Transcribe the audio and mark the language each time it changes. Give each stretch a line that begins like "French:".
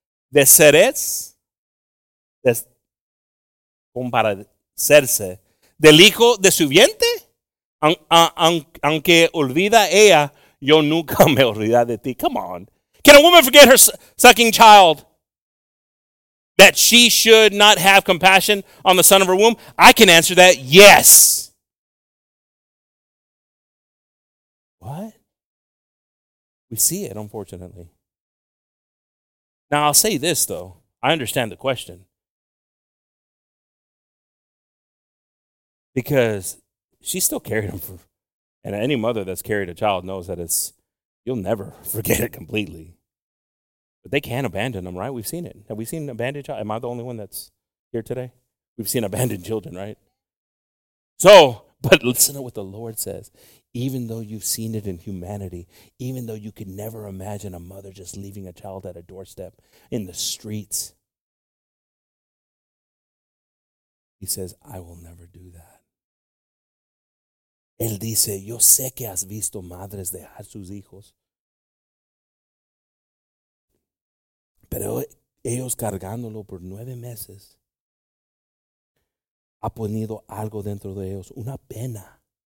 Spanish: De seres, de comparecerse del hijo de su vientre, aunque olvida ella, yo nunca me olvidaré de ti.
English: Come on. Can a woman forget her sucking child that she should not have compassion on the son of her womb? I can answer that, yes. What? We see it, unfortunately. Now, I'll say this, though. I understand the question. Because she still carried him. And any mother that's carried a child knows that it's, you'll never forget it completely. But they can't abandon them, right? We've seen it. Have we seen an abandoned child? Am I the only one that's here today? We've seen abandoned children, right? So, but listen to what the Lord says. Even though you've seen it in humanity, even though you could never imagine a mother just leaving a child at a doorstep in the streets, he says, I will never do that.
Spanish: Él dice, yo sé que has visto madres dejar sus hijos, pero ellos cargándolo por 9 meses ha ponido algo dentro de ellos, una pena.